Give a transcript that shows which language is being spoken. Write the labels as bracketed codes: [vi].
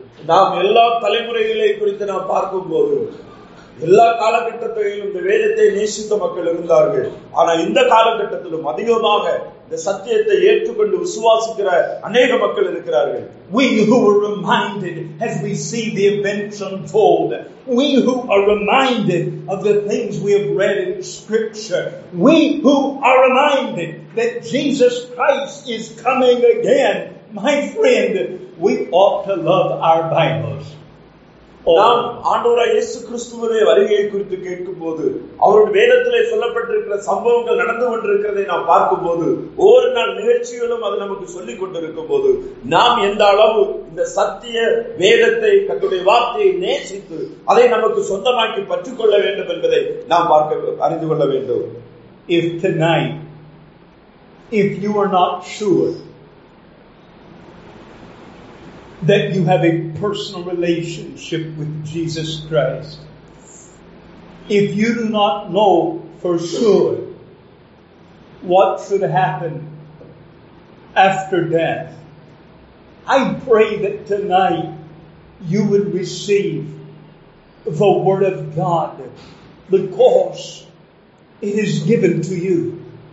[ta] நாம் எல்லா தலைமுறைகளையும் குறித்து நாம் பார்க்கும்போது எல்லா காலகட்டத்திலும் இந்த வேதத்தை நேசித்த மக்கள் இருந்தார்கள். ஆனால் இந்த காலகட்டத்திலும் அதிகமாக இந்த சத்தியத்தை ஏற்றுக்கொண்டு விசுவாசிக்கிற அநேக மக்கள் இருக்கிறார்கள். [en] We who are reminded as we see the events unfold, we who are reminded of the things we have read in Scripture, we who are reminded that Jesus Christ is coming again, my friend, we ought to love our Bibles. [ta] நாம் ஆண்டவராய் இயேசு கிறிஸ்துவின் வருகையை குறித்து கேட்கும் போது அவருடைய வேதத்திலே சொல்லப்பட்டிருக்கிற சம்பவங்கள் நடந்து கொண்டிருக்கிறதை நாம் பார்க்கும் போது ஒவ்வொரு நாள் நிகழ்ச்சிகளும் அது நமக்கு சொல்லிக் கொண்டிருக்கும் போது நாம் எந்த அளவு இந்த சத்திய வேதத்தை தன்னுடைய வார்த்தையை நேசித்து அதை நமக்கு சொந்தமாக்கி பற்றுக் கொள்ள வேண்டும் என்பதை நாம் அறிந்து கொள்ள வேண்டும். [en] If tonight, if you are not sure that you have a personal relationship with Jesus Christ, if you do not know for sure what should happen after death, I pray that tonight you would receive the Word of God because it is given to you.